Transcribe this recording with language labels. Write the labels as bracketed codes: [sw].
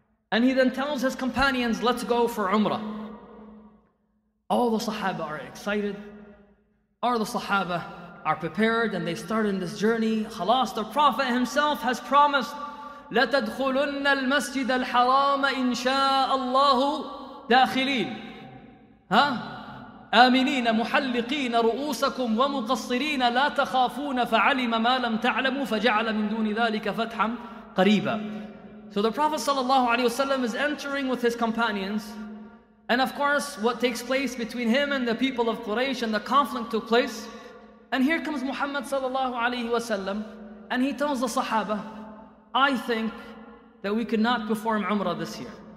[en] And he then tells his companions, let's go for Umrah. All the Sahaba are excited. All the Sahaba are prepared and they start in this journey. Khalas, the Prophet himself has promised, [ar] لَتَدْخُلُنَّ الْمَسْجِدَ الْحَرَامَ إِنْ شَاءَ اللَّهُ دَاخِلِينَ. [en] Huh? [ar] آمنين محلقين رؤوسكم ومقصرين لا تخافون فعلم ما لم تعلموا فجعل من دون ذلك فتحا قريبا. [en] So the Prophet sallallahu alaihi wasallam is entering with his companions, and of course what takes place between him and the people of Quraysh and the conflict took place, and here comes Muhammad sallallahu alaihi wasallam, and he tells the Sahaba, I think that we cannot perform Umrah this year.